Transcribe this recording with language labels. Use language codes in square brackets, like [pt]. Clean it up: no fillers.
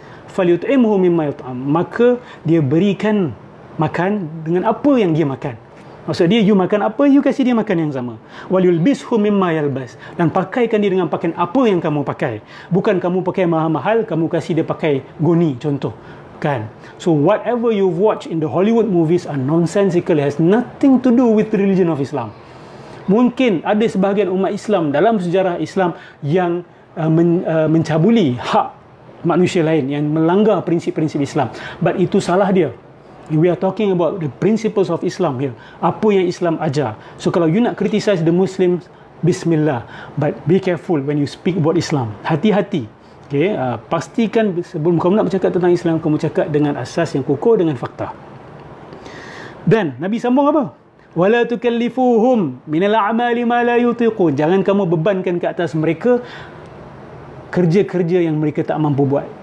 [ar] Falyut'imhu mimma yut'am. [ms] Maka dia berikan makan dengan apa yang dia makan. Maksud dia, you makan apa, you kasih dia makan yang sama. [ar] Walyulbishu mimma yalbas. [ms] Dan pakaikan dia dengan pakaian apa yang kamu pakai. Bukan kamu pakai mahal-mahal, kamu kasih dia pakai goni, contoh. Kan? [en] So, whatever you watch in the Hollywood movies are nonsensical. It has nothing to do with the religion of Islam. [ms] Mungkin ada sebahagian umat Islam dalam sejarah Islam yang mencabuli hak manusia lain, yang melanggar prinsip-prinsip Islam. But itu salah dia. [en] We are talking about the principles of Islam here. [ms] Apa yang Islam ajar. [en] So [ms] kalau you nak [en] criticize the Muslims, bismillah. But be careful when you speak about Islam. [ms] Hati-hati. Okay? Pastikan sebelum kamu nak bercakap tentang Islam, kamu cakap dengan asas yang kukuh, dengan fakta. [ar] Then, [ms] Nabi sambung apa? [ar] Wala tukallifuhum minal a'mali ma la yutiqun. [ms] Jangan kamu bebankan ke atas mereka kerja-kerja yang mereka tak mampu buat.